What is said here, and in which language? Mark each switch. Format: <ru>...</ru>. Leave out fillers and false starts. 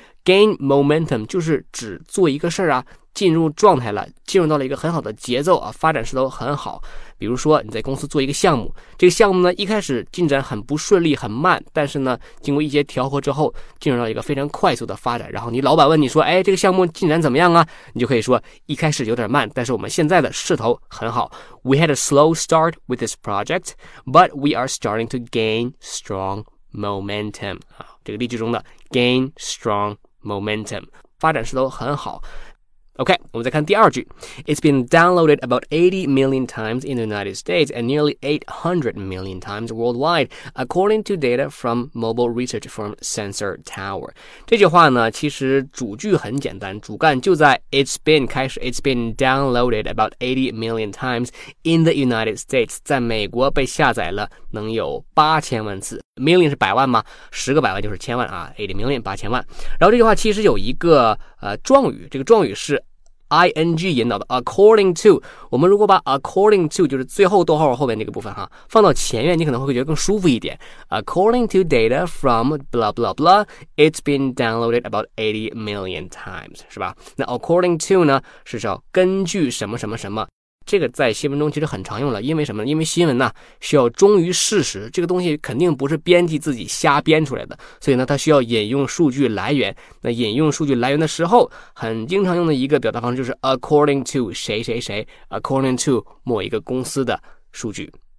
<zh>Gain momentum 就是指做一个事儿啊，进入状态了，进入到了一个很好的节奏啊，发展势头很好。比如说你在公司做一个项目，这个项目呢一开始进展很不顺利很慢，但是呢经过一些调和之后进入到一个非常快速的发展，然后你老板问你说，哎，这个项目进展怎么样啊，你就可以说一开始有点慢，但是我们现在的势头很好。</zh> <en>We had a slow start with this project, but we are starting to gain strong momentum。</en> <zh>这个例句中的</zh> <en>gain strong momentum，</en> <zh>发展势头很好。 OK， 我们再看第二句。</zh> <en>It's been downloaded about 80 million times in the United States and nearly 800 million times worldwide, according to data from mobile research firm Sensor Tower。</en> <zh>这句话呢其实主句很简单，主干就在 It's been 开始。</zh> <en>It's been downloaded about 80 million times in the United States，</en> <zh>在美国被下载了能有8000万次。 million 是百万吗？十个百万就是千万啊 ，80 million 八千万。然后这句话其实有一个状语，这个状语是 ing 引导的 ，according to。我们如果把 according to 就是最后逗号后面那个部分哈，放到前面，你可能会觉得更舒服一点。</zh> <en>According to data from blah blah blah, it's been downloaded about 80 million times， 是吧？</en> <zh>那 according to 呢，是叫根据什么什么什么。这个在新闻中其实很常用了，因为什么呢？因为新闻呢需要忠于事实，这个东西肯定不是编辑自己瞎编出来的，所以呢它需要引用数据来源。那引用数据来源的时候，很经常用的一个表达方式就是 according to 谁谁谁， according to 某一个公司的数据。</zh>